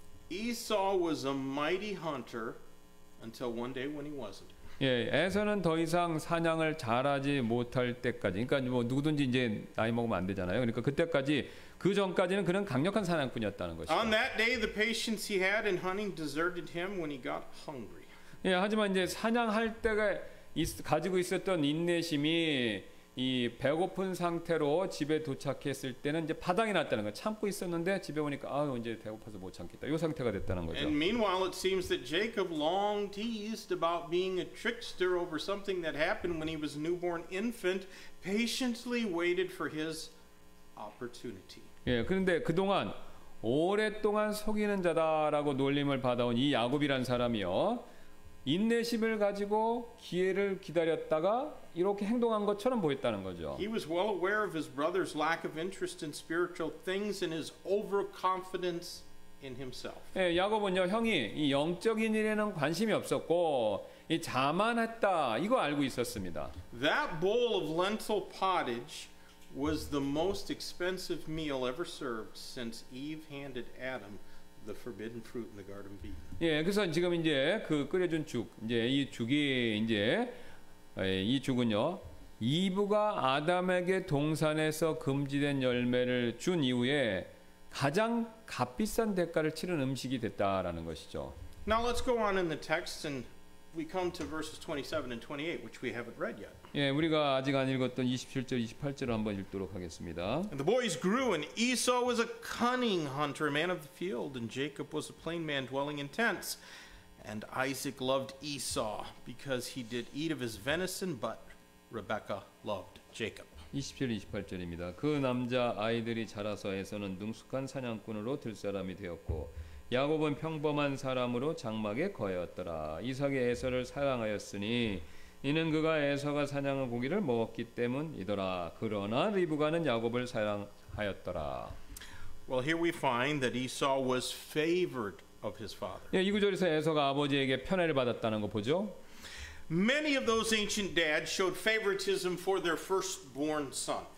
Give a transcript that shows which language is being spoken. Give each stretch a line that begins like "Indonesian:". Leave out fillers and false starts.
English: Esau was a mighty hunter until one day when he wasn't.
Korean: 예, 에서는 더 이상 사냥을 잘하지 못할 때까지, 그러니까 뭐 누구든지 이제 나이 먹으면 안 되잖아요. 그러니까 그때까지 그 전까지는 그런 강력한 사냥꾼이었다는 것이죠.
English: On that day, the patience he had in hunting deserted him when he got hungry.
Korean: 예, 하지만 이제 사냥할 때가 가지고 있었던 인내심이 이 배고픈 상태로 집에 도착했을 때는 이제 바닥이 났다는 거. 참고 있었는데 집에 오니까 아 이제 배고파서 못 참겠다. 이 상태가 됐다는 거죠.
English: And meanwhile, it seems that Jacob long teased about being a trickster over something that happened when he was a newborn infant, patiently waited for his opportunity.
Korean: 예, 그런데 그 동안 오랫동안 속이는 자다라고 놀림을 받아온 이 야곱이란 사람이요. 인내심을 가지고 기회를 기다렸다가 이렇게 행동한 것처럼 보였다는 거죠.
English: He was well aware of his brother's lack of interest in spiritual things and his overconfidence in himself.
Korean: 예, 야곱은요 형이 이 영적인 일에는 관심이 없었고 이 자만했다 이거 알고 있었습니다.
English: That bowl of lentil pottage was the most expensive meal ever served since Eve handed Adam the forbidden fruit in the garden of Eden.
Korean: 예, 그래서 지금 이제 그 끓여준 죽, 이제 이 죽이 이제 이 죽은요. 이브가 아담에게 동산에서 금지된 열매를 준 이후에 가장 값비싼 대가를 치른 음식이 됐다라는 것이죠.
English: Now let's go on in the text and we come to verses 27 and 28 which we haven't read yet.
Korean: 예, 우리가 아직 안 읽었던 27절, 28절을 한번 읽도록 하겠습니다.
English: And the boys grew and Esau was a cunning hunter, a man of the field, and Jacob was a plain man dwelling in tents. And Isaac loved Esau because he did eat of his venison, but Rebekah loved Jacob.
Korean: 27, 28절입니다. 그 남자 아이들이 자라서 에서는 능숙한 사냥꾼으로 들 사람이 되었고 야곱은 평범한 사람으로 장막에 거하였더라. 이삭이 에서를 사랑하였으니 이는 그가 에서가 사냥한 고기를 먹었기 때문이더라. 그러나 리브가는 야곱을 사랑하였더라.
English: Well, here we find that Esau was favored of his father.
Korean: 예, 이 구절에서 에서가 아버지에게 편애를 받았다는 거 보죠.
English: Many of those ancient dads showed favoritism for their firstborn son.